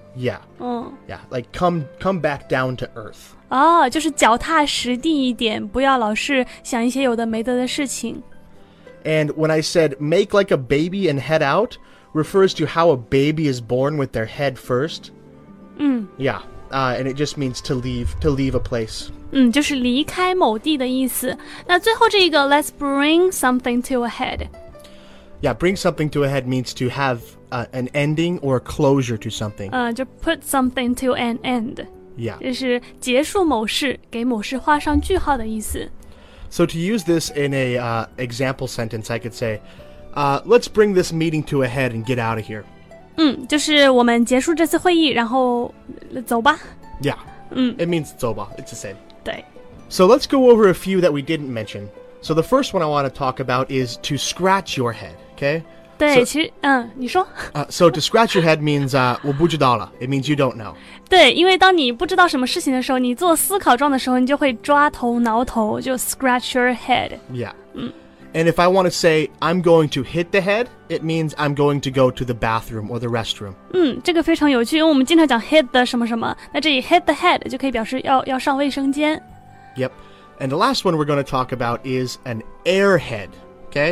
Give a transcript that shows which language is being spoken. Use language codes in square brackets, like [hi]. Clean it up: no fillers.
[en] Yeah. Yeah, like come back down to earth. [zh] 哦，就是脚踏实地一点，不要老是想一些有的没的的事情。 [en] And when I said make like a baby and head out, refers to how a baby is born with their head first. Yeah. And it just means to leave a place. [zh] 就是离开某地的意思。那最后这个 [en] let's bring something to a head. Yeah, bring something to a head means to have an ending or a closure to something. 就 put something to an end. Yeah. [zh] 就是结束某事，给某事画上句号的意思。 [en] So to use this in a example sentence, I could say, let's bring this meeting to a head and get out of here. [zh] 就是我们结束这次会议，然后走吧。 [en] Yeah, it means [zh] 走吧, [en] it's the same. [zh] 对。 [en] So let's go over a few that we didn't mention. So the first one I want to talk about is to scratch your head, okay? [zh] 对, so, 其实,你说。 [en] So to scratch your head means [zh] 我不知道了, [en] it means you don't know. [zh] 对,因为当你不知道什么事情的时候,你做思考状的时候,你就会抓头挠头,就 [en] scratch your head. Yeah. And if I want to say, I'm going to hit the head, it means I'm going to go to the bathroom or the restroom. [zh] 这个非常有趣,因为我们经常讲 [en] hit the [zh] 什么什么,那这里 [en] hit the head [zh] 就可以表示 要上卫生间。 [en] Yep. And the last one we're going to talk about is an airhead, okay?